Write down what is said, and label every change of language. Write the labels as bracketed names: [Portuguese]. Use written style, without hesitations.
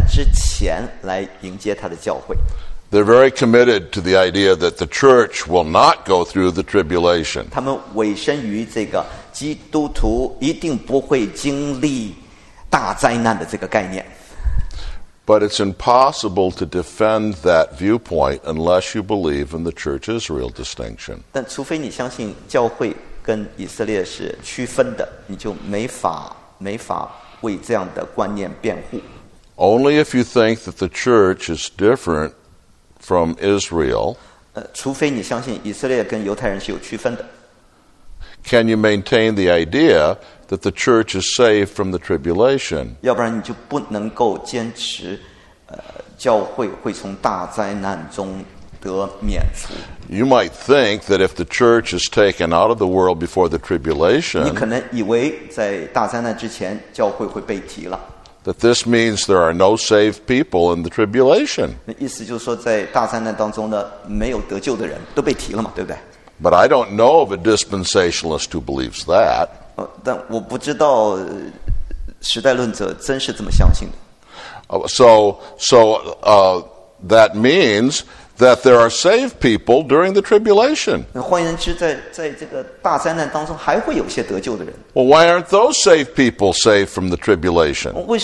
[Chinese] 因为他们非常坚信基督要在大灾难之前来迎接他的教会。 [English] They're very committed to the idea that the church will not go through the tribulation. But it's impossible to defend that viewpoint unless you believe in the church-Israel distinction. Only if you think that the church is different from Israel, [Chinese] 除非你相信以色列跟犹太人是有区分的, [English] can you maintain the idea that the church is saved from the tribulation? [Chinese] 要不然你就不能够坚持, 教会会从大灾难中得免除。 [English] You might think that if the church is taken out of the world before the tribulation, [Chinese] 你可能以为在大灾难之前, 教会会被提了。 [English] That this means there are no saved people in the tribulation. [Chinese] 意思就是说在大灾难当中呢,没有得救的人,都被提了嘛,对不对? [English] But I don't know of a dispensationalist who believes that. [Chinese] 但我不知道时代论者真是这么相信的。 [English] That means that there are saved people during the tribulation. [Chinese] 换言之在这个大灾难当中还会有些得救的人。 [English] Well, why aren't those saved people saved from the tribulation?